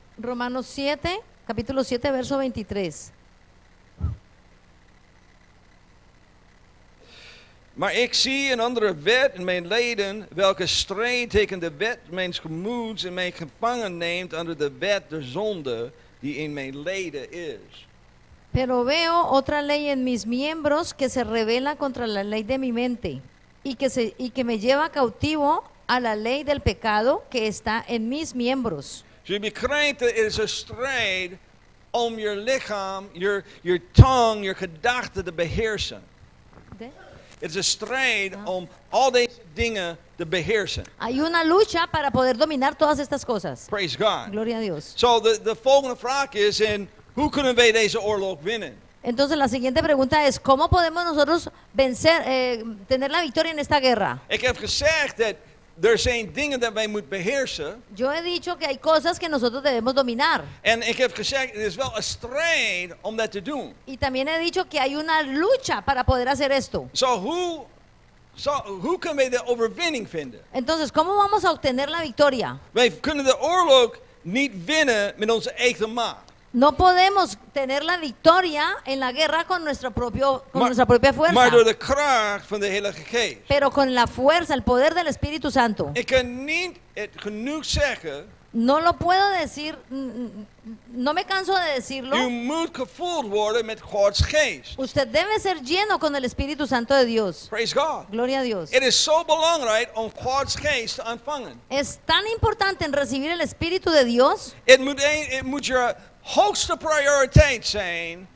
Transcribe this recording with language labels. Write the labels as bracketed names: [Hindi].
[Spanish] Romanos 7, capítulo 7, verso 23. [Dutch] Maar ik zie een andere wet in mijn leden, welke strijd tegen de wet mijn gemoeds en mij gevangen neemt onder de wet der zonde die in mijn leden is. [Spanish] Pero veo otra ley en mis miembros que se revela contra la ley de mi mente y que me lleva cautivo a la ley del pecado que está en mis miembros. [Dutch] Je begrijpt, het is een strijd om je lichaam, your tongue, your gedachten te beheersen. Het is een strijd om al deze dingen te beheersen. [Spanish] Hay una lucha para poder dominar todas estas cosas. [English] Praise God. [Spanish] Gloria a Dios. [English] So the [Dutch] volgende vraag is, en hoe kunnen wij deze oorlog winnen? [Spanish] Entonces la siguiente pregunta es, ¿cómo podemos nosotros vencer, tener la victoria en esta guerra? [Dutch] Ik heb gezegd dat Er zijn dingen dat wij moeten beheersen. [Spanish] Yo he dicho que hay cosas que nosotros debemos dominar. [Dutch] En ik heb gezegd, het is wel een strijd om dat te doen. [Spanish] Y también he dicho que hay una lucha para poder hacer esto. [English] So who can we the [Dutch] overwinning vinden? [Spanish] Entonces, ¿cómo vamos a obtener la victoria? [Dutch] Wij kunnen de oorlog niet winnen met onze eigen macht. [Spanish] No podemos tener la victoria en la guerra con nuestro propio con nuestra propia fuerza. [Dutch] Maar door de kracht van de Heilige Geest. [Spanish] Pero con la fuerza, el poder del Espíritu Santo. [Dutch] Ik kan niet het genoeg zeggen. [Spanish] No lo puedo decir, no me canso de decirlo. [Dutch] U moet gevuld worden met Gods Geest. [Spanish] Usted debe ser lleno con el Espíritu Santo de Dios. [English] Praise God. [Spanish] Gloria a Dios. [English] It is so [Dutch] belangrijk om Gods Geest te ontvangen. [Spanish] Es tan importante en recibir el Espíritu de Dios. [Dutch] It moet je hoogste prioriteit zijn